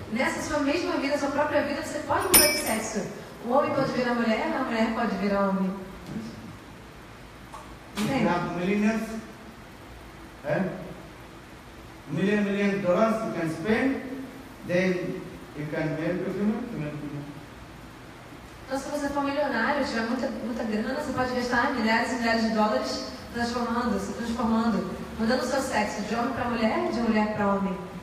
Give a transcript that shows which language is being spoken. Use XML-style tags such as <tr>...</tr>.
<pt>Nessa sua mesma vida, sua própria vida, você pode mudar de sexo. O homem pode virar mulher, a mulher pode virar homem. Entende?</pt> <en>You have millions, million, million dollars you can spend, then you can marry to female, female, female.</en> <pt>Então se você for milionário, tiver muita grana, você pode gastar milhares e milhares de dólares transformando, se transformando, mudando o seu sexo de homem para mulher e de mulher para homem.</pt>